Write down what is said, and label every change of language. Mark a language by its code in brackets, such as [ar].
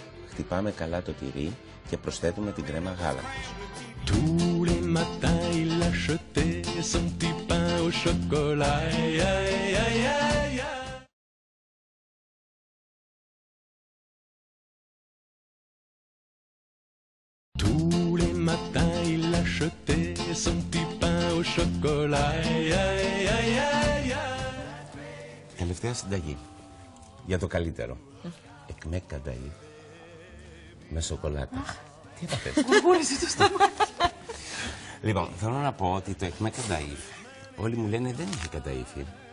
[el] Χτυπάμε καλά το τυρί και προσθέτουμε την κρέμα γάλακτος. [fr] Tous les matins il achetait son petit pain au chocolat. Aïe, aïe, aïe, aïe, aïe. Tous les matins il achetait son petit pain au chocolat. Aïe, aïe, aïe, aïe, aïe. [el] Τελευταία συνταγή για το καλύτερο. Εκμεκ Κανταΐφ με σοκολάτα. Τι θα πες. Μου πούλησε το στόμα. Λοιπόν, θέλω να πω ότι το εκμεκ Κανταΐφ, όλοι μου λένε δεν έχει Κανταΐφ.